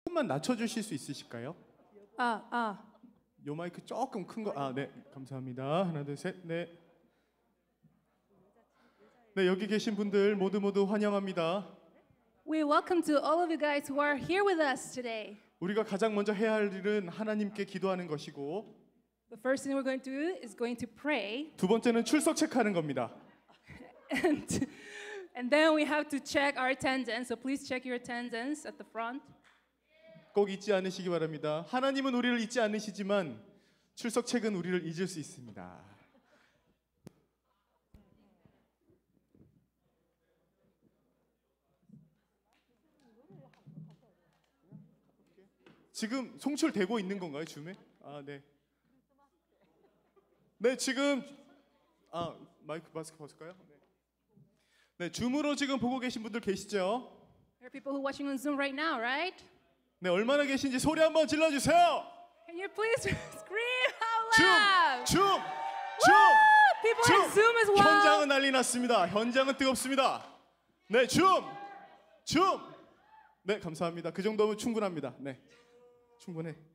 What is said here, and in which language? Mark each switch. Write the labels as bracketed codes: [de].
[ko] 조금만 낮춰주실 수 있으실까요? 아. 요 마이크 조금 큰 거. 아, 네. 감사합니다. 하나, 둘, 셋, 넷. 네, 여기 계신 분들 모두 모두 환영합니다. [en] We welcome to all of you guys who are here with us today. [ko] 우리가 가장 먼저 해야 할 일은 하나님께 기도하는 것이고 [en] The first thing we're going to do is going to pray. [ko] 두 번째는 출석 체크하는 겁니다. [en] And then we have to check our attendance. So please check your attendance at the front. [ko] 꼭 잊지 않으시기 바랍니다. 하나님은 우리를 잊지 않으시지만 출석 체크는 우리를 잊을 수 있습니다. 지금 송출되고 있는 건가요, 줌에? 아, 네. 네, 지금 아, 마이크 마스크 벗을까요? 네. 네, 줌으로 지금 보고 계신 분들 계시죠? [en] There are people who are watching on Zoom right now, right? [ko] 네, 얼마나 계신지 소리 한번 질러 주세요. [en] Can you please scream out loud? [ko] 줌. 줌. 줌. [en] People on Zoom as well. [ko] 현장은 난리 났습니다. 현장은 뜨겁습니다. 네, 줌. 줌. 네, 감사합니다. 그 정도면 충분합니다. 네. 충분해.